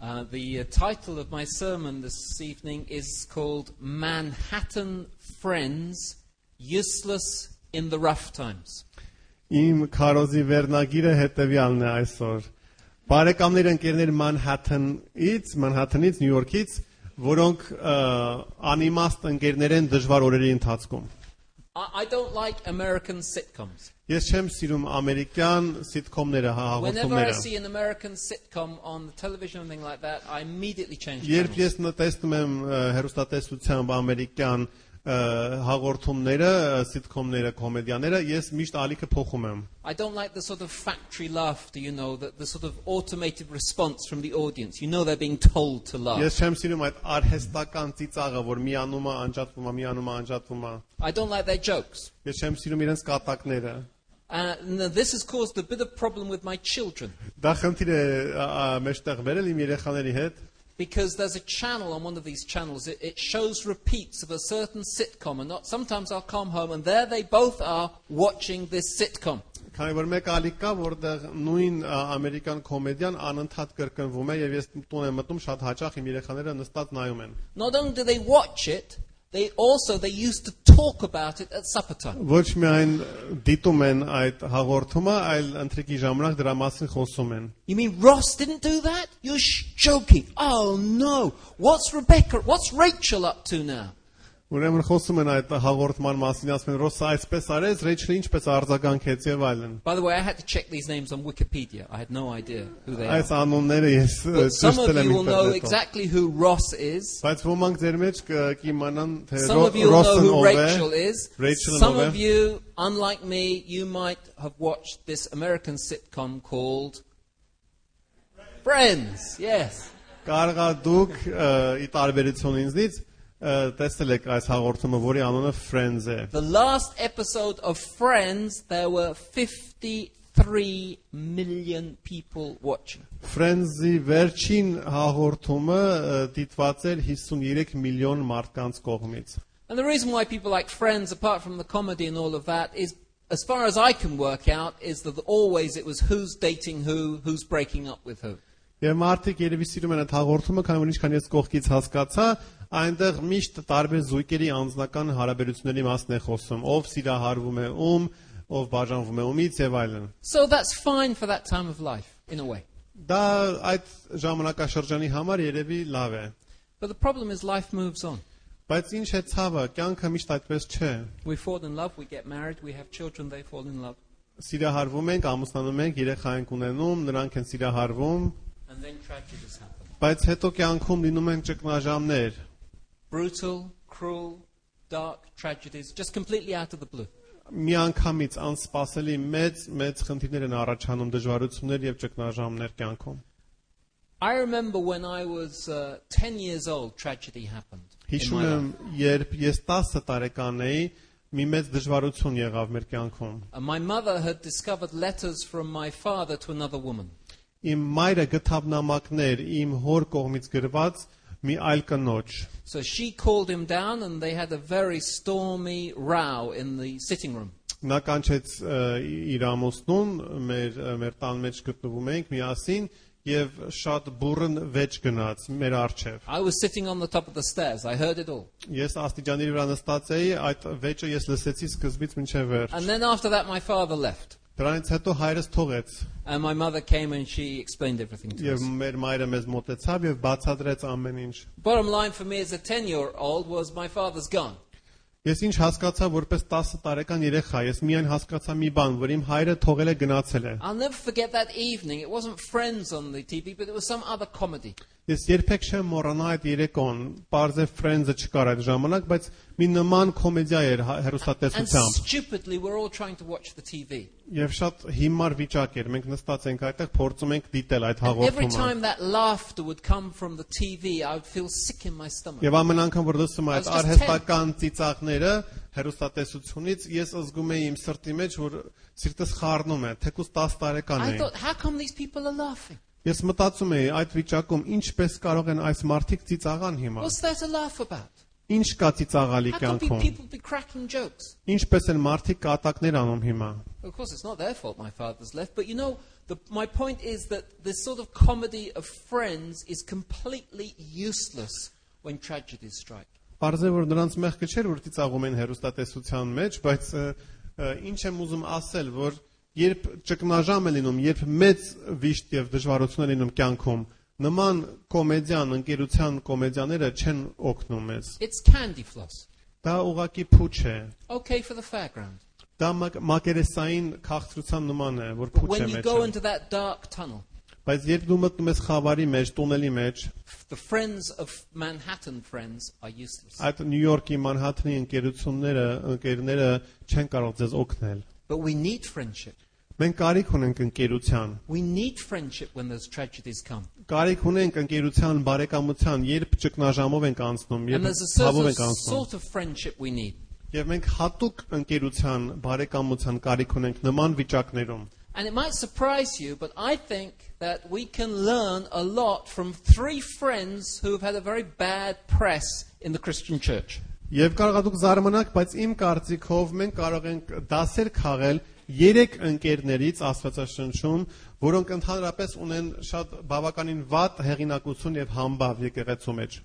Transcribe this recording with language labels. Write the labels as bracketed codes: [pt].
[en] The title of my sermon this evening is called Manhattan Friends Useless in the Rough Times. [hy] Իմ քարոզի վերնագիրը հետևյալն է այսօր. Բարեկամներ, ընկերներ Manhattan-ից, New York-ից, որոնք անիմաստ ընկերներ են դժվար օրերի ընթացքում. [en] I don't like American sitcoms. [hy] Ես չեմ սիրում ամերիկյան սիտկոմները, հաղորդումները. [en] Whenever I see an American sitcom on the television or anything like that, I immediately change channels. [hy] Երբ ես տեսնում եմ հեռուստատեսությամբ ամերիկյան հաղորդումները, սիտկոմները, կոմեդիաները, ես միշտ ալիքը փոխում եմ. [en] I don't like the sort of factory laughter, you know, that the sort of automated response from the audience. You know they're being told to laugh. [hy] Ես չեմ սիրում այդ արհեստական ծիծաղը, որ միանումը անջատվում է, միանումը անջատվում է. [en] I don't like their jokes. [hy] Ես չեմ սիրում իրենց կատակները. [en] This has caused a bit of problem with my children. [hy] Դա խնդիր է մեջտեղ բերել իմ երեխաների հետ. [en] Because there's a channel on one of these channels, it shows repeats of a certain sitcom, and not, sometimes I'll come home and there they both are watching this sitcom. [hy] Քանի որ մեկ ալիքա, որտեղ նույն ամերիկյան կոմեդիան անընդհատ կրկնվում է, եւ ես տուն եմ մտնում, շատ հաճախ իմ երեխաները նստած նայում են. [en] Not only do they watch it, they used to talk about it at supper time. [hy] Ոչ միայն դիտում են այդ հաղորդումը, այլ ընթրիքի ժամանակ դրա մասին խոսում են. [en] You mean Ross didn't do that? You're joking. Oh no. What's Rebecca? What's Rachel up to now? [hy] Ուրեմն խոսում են այդ հաղորդման մասին, ասում են Ross-ը այսպես արեց, Rachel-ը ինչպես արձագանքեց եւ այլն. [en] By the way, I had to check these names on Wikipedia. I had no idea who they are. [hy] Այս անունները ես ճիշտ եմ ինքս։ [en] Some of you will know exactly who Ross is. [hy] Բայց ոմանք ձեր մեջ կիմանան թե Ross-ը ով է, Rachel-ը ով է։ [en] Some of you, unlike me, you might have watched this American sitcom called Friends. Yes. [hy] Կարգա դուք ի տարբերություն ինձնից տեսել եք այս հաղորդումը, որի անունը Friends է. [en] The last episode of Friends, there were 53 million people watching. [hy] Friends-ի վերջին հաղորդումը դիտված էր 53 միլիոն մարդկանց կողմից. [en] And the reason why people like Friends, apart from the comedy and all of that, is, as far as I can work out, is that always it was who's dating who, who's breaking up with who. [hy] Եվ մարդիկ երևի սիրում են այդ հաղորդումը, քանի որ ինչքան ես կողքից հասկացա, այնտեղ միշտ տարբեր զույգերի անձնական հարաբերությունների մասն է խոսում, ով սիրահարվում է ում, ով բաժանվում է ումից եւ այլն։ [en] So that's fine for that time of life in a way. [hy] Դա այդ ժամանակաշրջանի համար երևի լավ է։ [en] But the problem is life moves on. [hy] Բայց ինչ է ցավը, կյանքը միշտ այդպես չէ։ [en] We fall in love, we get married, we have children, they fall in love. [hy] Սիրահարվում ենք, ամուսնանում ենք, երեխա ենք ունենում, նրանք են սիրահարվում։ [en] And then tragedies happen. [hy] Բայց հետո կյանքում լինում են ճգնաժամներ։ [en] Brutal, cruel, dark tragedies, just completely out of the blue. [hy] Մի անգամից անսպասելի մեծ խնդիրներ են առաջանում, դժվարություններ եւ ճգնաժամներ կյանքում. [en] I remember when I was 10 years old, tragedy happened. [hy] Հիշում եմ, երբ ես 10 տարեկան էի, մի մեծ դժվարություն եղավ մեր կյանքում. [en] My mother had discovered letters from my father to another woman. [hy] Իմ մայրը գտավ նամակներ իմ հոր կողմից գրված մի այլ կնոջ. [en] So she called him down and they had a very stormy row in the sitting room. [hy] Նա կանչեց իր ամուսնուն, մեր տան մեջ գտնվում էինք միասին եւ շատ բուրըն վեճ գնաց մեր առջև. [en] I was sitting on the top of the stairs. I heard it all. [hy] Ես աստիճանի վրա նստած էի, այդ վեճը ես լսեցի սկզբից մինչև վերջ. [en] And then after that my father left. [hy] Դրանից հետո հայրս թողեց։ [en] And my mother came and she explained everything to us. [hy] Եվ մեր մայրը մեզ մոտեցավ եւ բացատրեց ամեն ինչ։ [en] Bottom line for me as a 10-year-old was my father's gone. [hy] Ես ինչ հասկացա որպես 10 տարեկան երեխա, ես միայն հասկացա մի բան, որ իմ հայրը թողել է գնացել է։ [en] I'll never forget that evening. It wasn't Friends on the TV, but it was some other comedy. [hy] Ես երբեք չեմ մոռանա այդ երեկոն, պարզե Friends-ը չկար այդ ժամանակ, բայց մի նման կոմեդիա էր հեռուստատեսությամբ։ [en] And stupidly we're all trying to watch the TV. [hy] Եվ շատ հիմար վիճակ էր, մենք նստած ենք այդտեղ, փորձում ենք դիտել այդ հաղորդումը։ [en] Every time that laughter would come from the TV, I would feel sick in my stomach. [hy] Եվ ամեն անգամ, որ լսում եմ այդ արհեստական ծիծաղները հեռուստատեսությունից, ես ազգում եմ իմ սրտի մեջ, որ սիրտս խառնում է, թեկուզ 10 տարեկան է։ [en] I thought, how come these people are laughing? [hy] Ես մտածում էի այդ վիճակում ինչպես կարող են այս մարդիկ ծիծաղան հիմա։ [en] What's that a laugh about? [hy] Ինչ կա ծիծաղալի կյանքում։ [en] How can people be cracking jokes? [hy] Ինչպես են մարդիկ կատակներ անում հիմա։ [en] Of course it's not their fault my father's left, but you know my point is that this sort of comedy of friends is completely useless when tragedies strike. [hy] Բարձը որ նրանց մեղքը չէր որ ծիծաղում են հերոստատեսության մեջ, բայց ինչ եմ ուզում ասել, որ երբ ճգնաժամ է լինում, երբ մեծ վիշտ եւ դժվարություն է լինում կյանքում, նման կոմեդիան, ընկերության կոմեդիաները չեն օգնում մեզ։ [en] It's candy floss. [hy] Դա ուղակի փուչ է։ [en] Okay for the fairground. [hy] Դա մակերեսային քաղցրության նման է, որ փուչ է մեջը։ [en] When you go into that dark tunnel. [hy] Բայց երբ դու մտնում ես խավարի մեջ, տունելի մեջ, [en] the friends of Manhattan friends are useless. [hy] Այդ Նյու Յորքի Մանհաթենի ընկերությունները, ընկերները չեն կարող ձեզ օգնել։ [en] But we need friendship. [hy] Մենք կարիք ունենք ընկերության։ [en] We need friendship when those tragedies come. [hy] Կարիք ունենք ընկերության, բարեկամության, երբ ճգնաժամով ենք անցնում, երբ հավով ենք անցնում։ [en] And there's a sort of friendship we need. [hy] Եվ մենք հատուկ ընկերության, բարեկամության կարիք ունենք նման վիճակներում։ [en] And it might surprise you, but I think that we can learn a lot from three friends who have had a very bad press in the Christian church. [hy] Եվ կարող եք զարմանալ, բայց իմ կարծիքով մենք կարող ենք դասեր քաղել երեք ընկերներից Աստվածաշնչում, որոնք ընդհանրապես ունեն շատ բավականին վատ հեղինակություն եւ համբավ եկեղեցու մեջ։